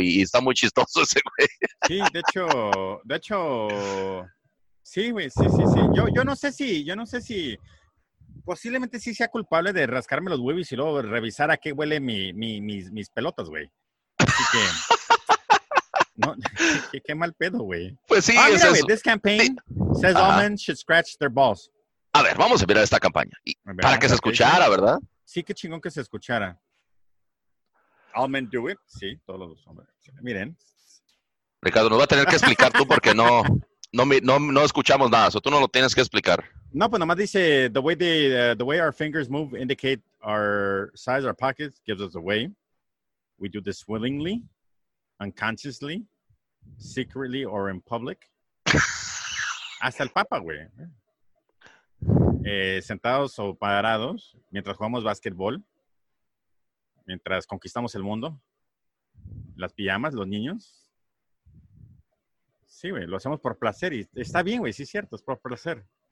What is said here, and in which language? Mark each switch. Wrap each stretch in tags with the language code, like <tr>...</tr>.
<es>Y está muy chistoso ese güey. Sí, de hecho... Sí, güey, sí. Yo no sé si... Posiblemente sí sea culpable de rascarme los huevos y luego revisar a qué huele mis pelotas, güey. Así que... No, qué mal pedo, güey. Pues sí,</es> <en>mira, güey, this campaign says all men should scratch their balls.</en> <es>A ver, vamos a mirar esta campaña. Y, para que se escuchara, ¿verdad? Sí, qué chingón que se escuchara. All men do it. Sí, todos los hombres. Miren. Ricardo, nos va a tener que explicar tú porque no... No escuchamos nada, so tú no lo tienes que explicar.</es> <en>No, pues nomás dice, the way our fingers move indicate our size, our pockets, gives us away. We do this willingly, unconsciously, secretly, or in public.</en> <es>Hasta el Papa, güey. Sentados o parados, mientras jugamos básquetbol, mientras conquistamos el mundo, las pijamas, los niños... Sí, güey, lo hacemos por placer y está bien, güey, sí es cierto, es por placer.</es>